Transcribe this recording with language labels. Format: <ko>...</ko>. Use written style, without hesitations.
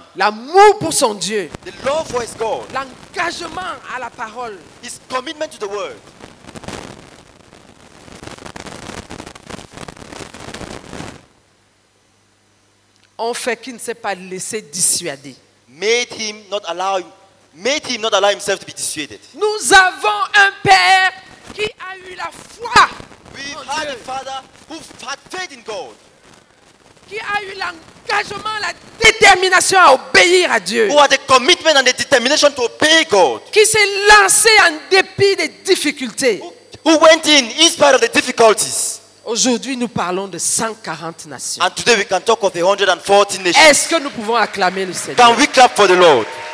<fr>L'amour pour son Dieu.</fr> <en>The love for his God.</en> <fr>L'engagement à la parole.</fr> <en>His commitment to the word.</en> <fr>ont fait qu'il ne s'est pas laissé dissuader.</fr> <en>Made him not allow himself to be dissuaded.</en> <fr>Nous avons un père qui a eu la foi.</fr> <en>We've had a father who had faith in God.</en> <fr>Qui a eu l'engagement, la détermination à obéir à Dieu.</fr> <en>Who had the commitment and the determination to obey God.</en> <fr>Qui s'est lancé en dépit des difficultés.</fr> <en>Who went in spite of the difficulties.</en> <fr>Aujourd'hui, nous parlons de 140 nations.</fr> <en>And today we can talk of the 140 nations.</en> <fr>Est-ce que nous pouvons acclamer le Seigneur?</fr> <en>Can we clap for the Lord?</en>